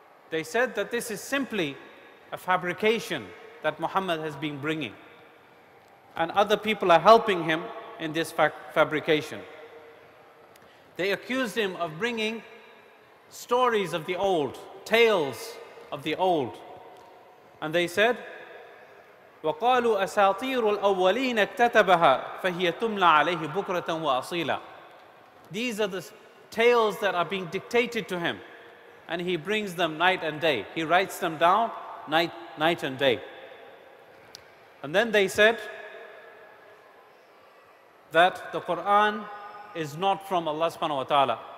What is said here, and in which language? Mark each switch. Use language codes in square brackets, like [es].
[en] They said that this is simply a fabrication that Muhammad has been bringing, and other people are helping him in this fabrication. They accused him of bringing stories of the old, tales of the old. And they said, [ar] وَقَالُوا أَسَاطِيرُ الْأَوَّلِينَ اكْتَتَبَهَا فَهِيَ تُمْلَى عَلَيْهِ بُكْرَةً وَأَصِيلًا. [en] These are the tales that are being dictated to him, and he brings them night and day. He writes them down night and day. And then they said that the Quran is not from Allah subhanahu wa ta'ala.